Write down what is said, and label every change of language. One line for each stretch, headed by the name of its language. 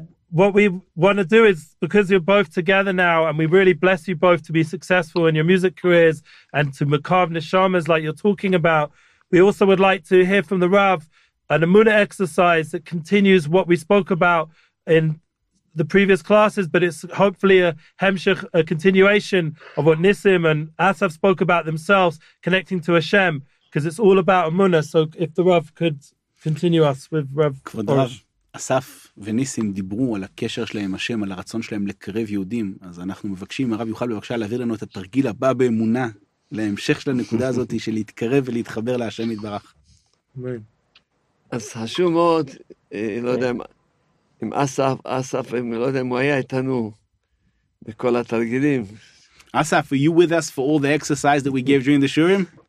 English: What we want to do is, because you're both together now, and we really bless you both to be successful in your music careers and to makav neshamas like you're talking about, we also would like to hear from the Rav an Amuna exercise that continues what we spoke about in the previous classes, but it's hopefully a hemshech, a continuation of what Nisim and Asaf spoke about themselves, connecting to Hashem, because it's all about Amuna. So if the Rav could continue us with Rav.
Hebrew: אסף וניסים דיברו על הקשר שלהם השם, על הרצון שלהם לקרב יהודים, אז אנחנו מבקשים, הרב יוכל בבקשה להעביר לנו את התרגיל הבא באמונה, להמשך של הנקודה הזאת, של להתקרב ולהתחבר להשם יתברך. אמן. אז חשוב מאוד, לא יודע אם אסף, לא יודע אם הוא היה איתנו בכל התרגילים.
English: אסף, are you with us for all the exercise that we gave during the shurim?